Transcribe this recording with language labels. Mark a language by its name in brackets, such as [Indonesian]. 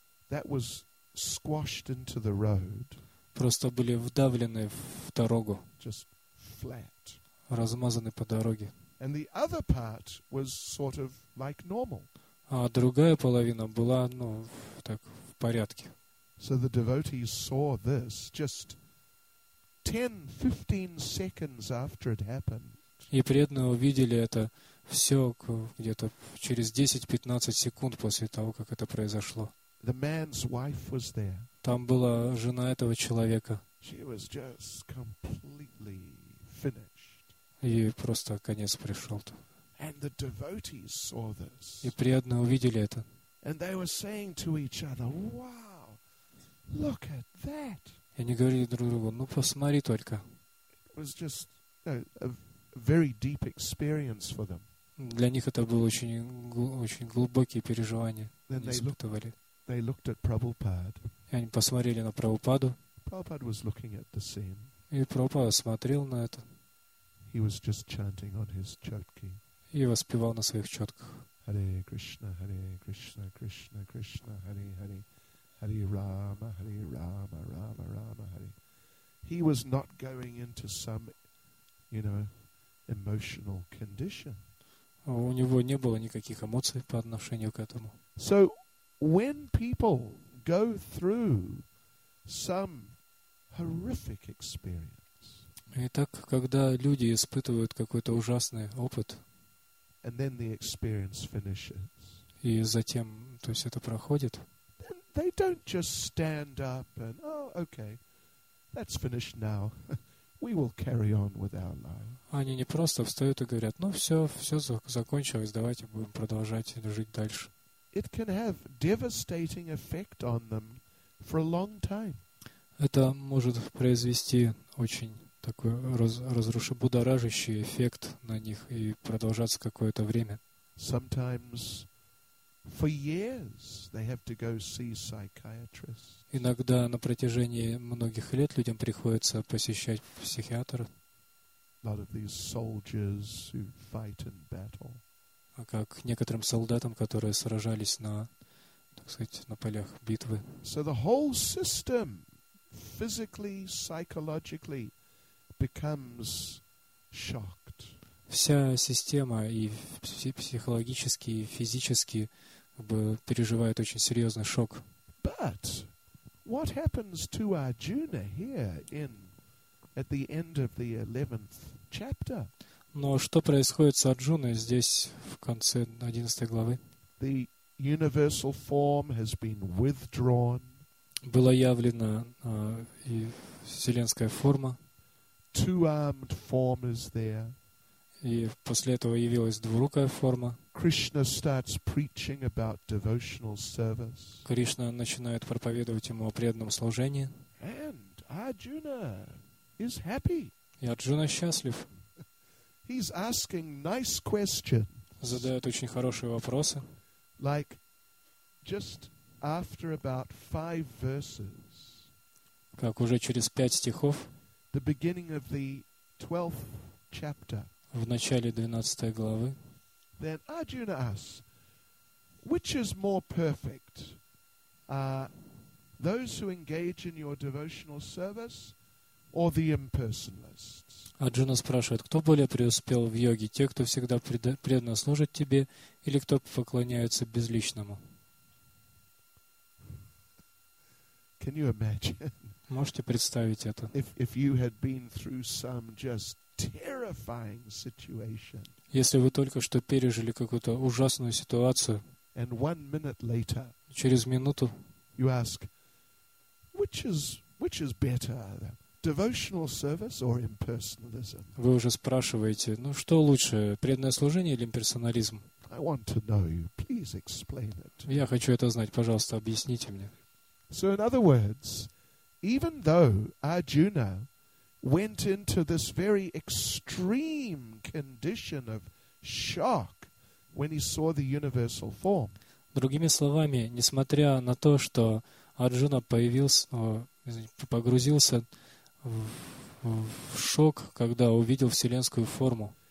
[English] that was squashed into the road, [Russian] просто были вдавлены в дорогу, [English] just flat, [Russian] размазаны по дороге. [English] And the other part was sort of like normal. [Russian] А другая половина была, ну, так, в порядке. [English] So the devotees saw this just 10-15 seconds after it happened. [Russian] И преданные увидели это все где-то через 10-15 секунд после того, как это произошло. [English] The man's wife was there. [Russian] Там была жена этого человека. [English] She was just completely finished. [Russian] И просто конец пришел-то. [English] And the devotees saw this. [Russian] И преданные увидели это. [English] And they were saying to each other, "Wow, look at that!" [Russian] И они говорили друг другу, ну посмотри только. [English] It was just, you know, very deep experience for them. [Russian] Для них это было очень глубокие переживания. Испытывали. [English] They looked at Prabhupada. [Russian] И они посмотрели на Прабхупаду. [English] Prabhupada was looking at the scene. [Russian] И Прабхупада смотрел на это. [English] He was just chanting on his chotki. [Russian] И воспевал на своих чотках. [Sanskrit] Hare Krishna, Krishna Krishna, Hare Hare, Hare Rama, Rama Rama Hare. [English] He was not going into some, you know, emotional condition. [Russian] У него не было никаких эмоций по отношению к этому. [English] So when people go through some horrific experience. [Russian] Итак, когда люди испытывают какой-то ужасный опыт. [English] And then the experience finishes. [Russian] И затем, то есть это проходит. [English] Then they don't just stand up and, oh, okay, that's finished now. We will carry on with our lives. [Russian] Они не просто встают и говорят, ну все, все закончилось, давайте будем продолжать жить дальше. [English] It can have devastating effect on them for a long time. [Russian] Это может произвести очень такой будоражащий эффект на них и продолжаться какое-то время. [English] Sometimes for years they have to go see psychiatrists. [Russian] Иногда на протяжении многих лет людям приходится посещать психиатра. [English] Lot of these soldiers who fight in battle. [Russian] А как некоторым солдатам, которые сражались на, так сказать, на полях битвы. [English] So the whole system physically, psychologically becomes shocked. [Russian] Вся система и психологически, и физически переживает очень серьезный шок. [English] But what happens to Arjuna here in at the end of the 11th chapter? [Russian] Но что происходит с Арджуной здесь в конце 11 главы? [English] The universal form has been withdrawn. [Russian] Было явлено вселенская форма. [English] Two-armed form is there. [Russian] И после этого явилась двурукая форма. [English] Krishna starts preaching about devotional service. [Russian] Кришна начинает проповедовать ему о преданном служении. [English] And Arjuna is happy. [Russian] И Арджуна счастлив. [English] He's asking nice questions. [Russian] Задает очень хорошие вопросы. [English] Like just after about 5 verses. [Russian] Как уже через 5 стихов. [English] The beginning of the 12th chapter. [Russian] В начале 12 главы. [English] Then Arjuna asks, which is more perfect? Those who engage in your devotional service or the impersonalists? [Russian] Арджуна спрашивает, кто более преуспел в йоге, те, кто всегда преданно служит тебе, или кто поклоняется безличному? [English] Can you imagine? [Russian] Можете представить это? [English] If you had been through some just terrifying situation. [Russian] Если вы только что пережили какую-то ужасную ситуацию, [English] and 1 minute later, [Russian] через минуту, [English] you ask, which is better, devotional service or impersonalism? [Russian] Вы уже спрашиваете, ну что лучше, преданное служение или имперсонализм? [English] I want to know you. Please explain it. [Russian] Я хочу это знать, пожалуйста, объясните мне. [English] So in other words, even though Arjuna went into this very extreme condition of shock when he saw the universal form. [Russian] Другими словами, несмотря на то, что Арджуна погрузился в шок, когда увидел вселенскую форму.